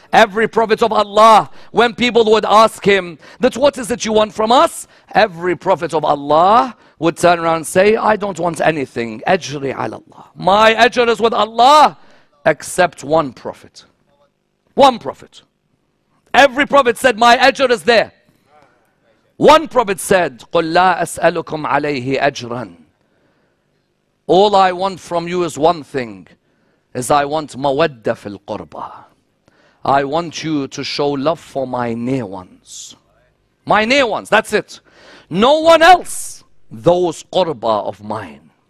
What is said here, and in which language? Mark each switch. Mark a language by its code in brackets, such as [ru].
[en] Every prophet of Allah, when people would ask him, that what is it you want from us? Every prophet of Allah would turn around and say, I don't want anything. [ar] أَجْرِي عَلَى اللَّهِ. [en] My ajr is with Allah, except one prophet. One prophet. Every prophet said, my ajr is there. One prophet said, [ar] قُلْ لَا أَسْأَلُكُمْ عَلَيْهِ أَجْرًا. [en] All I want from you is one thing, is I want mawadda fil qurba. I want you to show love for my near ones. My near ones, that's it. No one else, those qurba of mine.